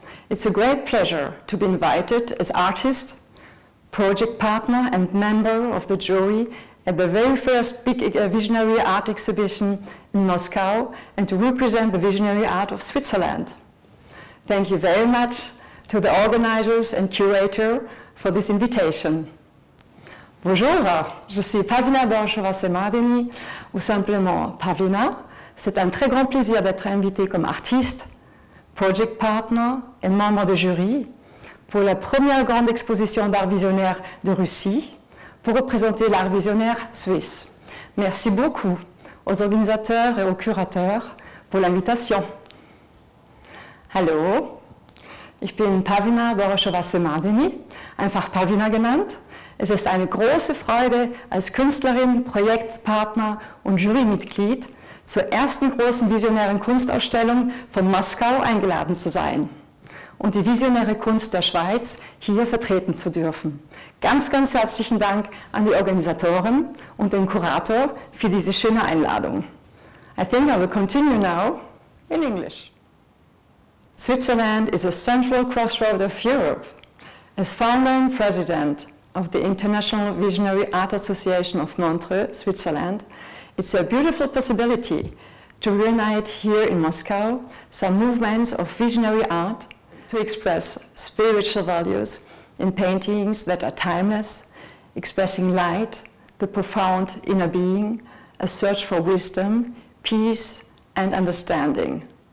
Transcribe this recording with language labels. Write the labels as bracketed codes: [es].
[en] It's a great pleasure to be invited as artist, project partner and member of the jury at the very first big visionary art exhibition in Moscow and to represent the visionary art of Switzerland. Thank you very much to the organizers and curator for this invitation. [fr] Bonjour, je suis Pavlina Borosova-Semadeni, ou simplement Pavlina. C'est un très grand plaisir d'être invitée comme artiste, project partner et membre de jury pour la première grande exposition d'art visionnaire de Russie pour représenter l'art visionnaire suisse. Merci beaucoup aux organisateurs et aux curateurs pour l'invitation. [de] Hallo, ich bin Pavlina Borosova-Semadeni, einfach Pavlina genannt. Es ist eine große Freude, als Künstlerin, Projektpartner und Jurymitglied zur ersten großen visionären Kunstausstellung von Moskau eingeladen zu sein und die visionäre Kunst der Schweiz hier vertreten zu dürfen. Ganz, ganz herzlichen Dank an die Organisatoren und den Kurator für diese schöne Einladung. [en] I think I will continue now in English. Switzerland is a central crossroad of Europe. As founder and president of the International Visionary Art Association of Montreux, Switzerland, it's a beautiful possibility to reunite here in Moscow some movements of visionary art to express spiritual values in paintings that are timeless, expressing light, the profound inner being, a search for wisdom, peace and understanding.